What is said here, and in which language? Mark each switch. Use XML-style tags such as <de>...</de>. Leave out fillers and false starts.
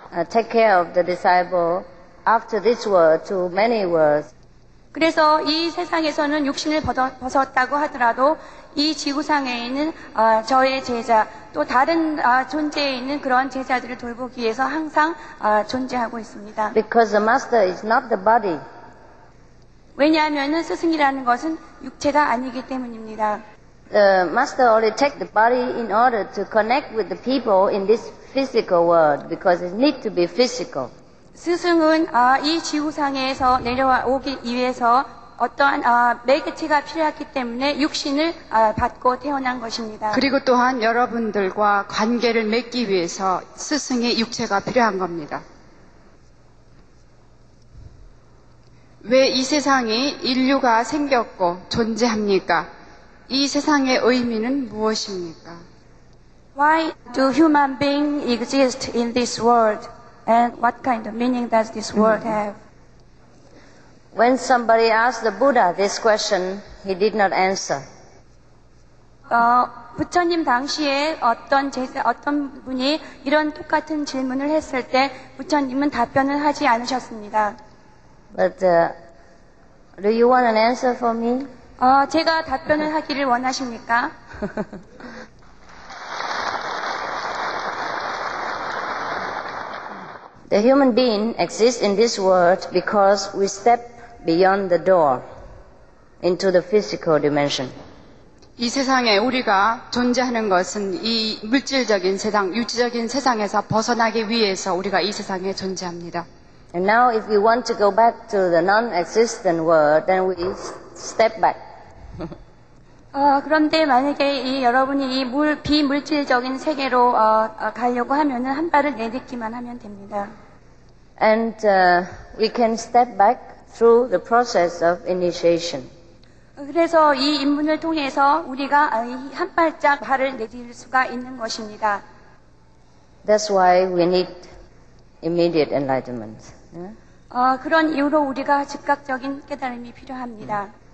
<en>Take care of the disciple after this world to many worlds.</en> <ko>그래서 이 세상에서는 육신을 벗었다고 하더라도 이 지구상에 있는 저의 제자 또 다른 존재에 있는 그런 제자들을 돌보기 위해서 항상 존재하고 있습니다.</ko> <en>Because the master is not the body.</en> <ko>왜냐하면 스승이라는 것은 육체가 아니기 때문입니다.</ko> <en>The master only take the body in order to connect with the people in this physical world because it needs to be physical.</en> <ko>스승은 이 지구상에서 내려오기 위해서 어떠한 매개체가 필요했기 때문에 육신을 받고 태어난 것입니다. 그리고 또한 여러분들과 관계를 맺기 위해서 스승의 육체가 필요한 겁니다. 왜 이 세상에 인류가 생겼고 존재합니까? 이 세상의 의미는 무엇입니까?</ko> <en>Why do human beings exist in this world? And what kind of meaning does this world have? When somebody asked the Buddha this question, he did not answer.</en> <ko>부처님 당시에 어떤 분이 이런 똑같은 질문을 했을 때 부처님은 답변을 하지 않으셨습니다.</ko> <en>But do you want an answer for me?</en> <ko>제가 답변을 하기를 원하십니까?</ko> <en>The human being exists in this world because we step beyond the door into the physical dimension.</en> <ko>이 세상에 우리가 존재하는 것은 이 물질적인 세상, 유치적인 세상에서 벗어나기 위해서 우리가 이 세상에 존재합니다.</ko> <en>And now if we want to go back to the non-existent world, then we step back.</en> <ko>그런데 만약에 여러분이 이 비물질적인 세계로 가려고 하면은 한 발을 내딛기만 하면 됩니다.</ko> <en>And we can step back through the process of initiation.</en> <ko>그래서 이 입문을 통해서 우리가 한 발짝 발을 내딛을 수가 있는 것입니다.</ko> <en>That's why we need immediate enlightenment.</en> <ko>그런 이유로 우리가 즉각적인 깨달음이 필요합니다.</ko>